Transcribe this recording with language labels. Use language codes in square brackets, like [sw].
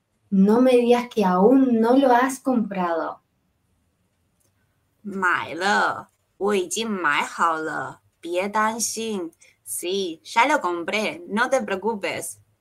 [es] No me digas que aún no lo has comprado. [zh] 买了，我已经买好了，别担心。 [es] Sí, ya lo compré, no te preocupes.